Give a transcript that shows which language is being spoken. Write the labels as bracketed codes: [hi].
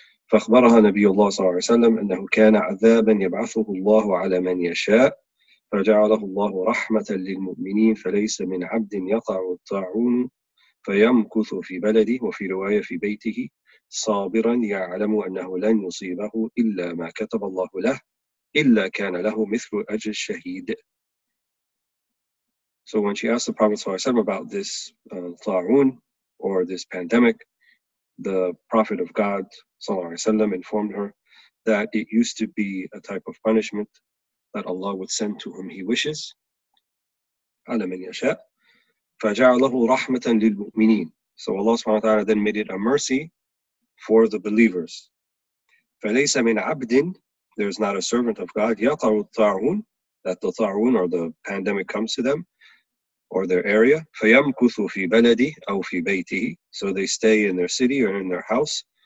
[ar] فأخبرها نبي الله صلى الله عليه وسلم أنه كان عذابا يبعثه الله على من يشاء فجعله الله رحمة للمؤمنين فليس من عبد يطع الطاعون فيمكث في بلده وفي رواية في بيته صابرا يعلم أنه لن يصيبه إلا ما كتب الله له إلا كان له مثل أجر الشهيد. [en] So when she asked the Prophet صلى الله عليه وسلم about this ta'un or this pandemic, the Prophet of God صلى الله عليه وسلم informed her that it used to be a type of punishment that Allah would send to whom He wishes. [ar] على من يشاء فجعله رحمة للمؤمنين. [en] So Allah سبحانه وتعالى then made it a mercy for the believers. [ar] فليس من عبد, [en] there is not a servant of God, [ar] يقع الطاعون, [en] that the طاعون or the pandemic comes to them or their area. [ar] فيمكث في بلدي أو في بيته, [en] so they stay in their city or in their house.